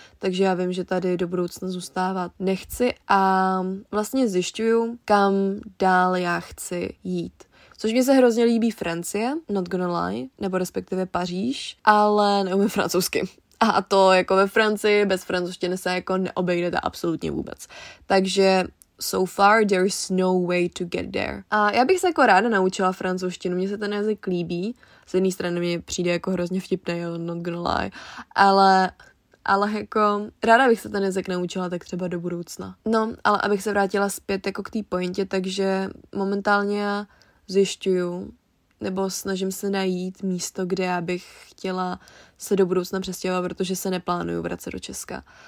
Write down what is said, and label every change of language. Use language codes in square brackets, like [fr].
[cs] Takže já vím, že tady do budoucna zůstávat nechci a vlastně zjišťuju, kam dál já chci jít. Což mi se hrozně líbí Francie, [en] not gonna lie, [cs] nebo respektive Paříž, ale neumím francouzsky. A to jako ve Francii bez francouzštiny se jako neobejdete absolutně vůbec. Takže [en] so far, there is no way to get there. [cs] A já bych se jako ráda naučila francouzštinu, mně se ten jazyk líbí. Z jedné strany mi přijde jako hrozně vtipný, jo, [en] not gonna lie. [cs] Ale jako ráda bych se ten jazyk naučila tak třeba do budoucna. No, ale abych se vrátila zpět jako k té pointě, takže momentálně já zjišťuju, nebo snažím se najít místo, kde já bych chtěla se do budoucna přestěhovat, protože se neplánuju vracet do Česka.